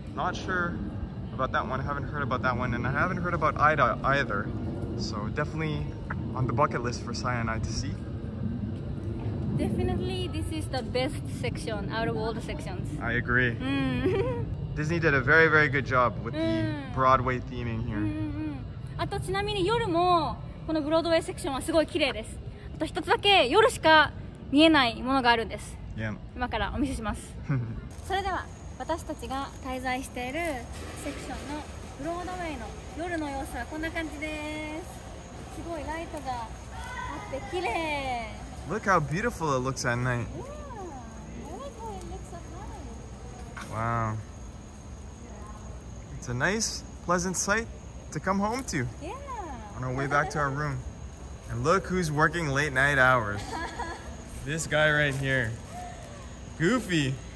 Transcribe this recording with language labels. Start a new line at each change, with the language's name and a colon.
English: Not sure about that one, I haven't heard about that one, and I haven't heard about Ida either. So definitely on the bucket list for Sai and I to see. Definitely, this is the best section out of all the sections. I agree. Disney did a very, very good job with the Broadway theming here.
Japanese: あとちなみに夜もこのブロードウェイセクションはすごい綺麗です。あと一つだけ夜しか見えないものがあるんです。
English: Yeah.
Japanese: 今からお見せします。それでは私たちが滞在しているセクションのブロードウェイの夜の様子はこんな感じです。すごいライトがあって綺麗。
English: Look how beautiful it looks at night. Yeah, I like how it looks at night. Wow. It's It's a nice, pleasant sight to come home to. Yeah. On our way back to our room. And look who's working late night hours. This guy right here. Goofy.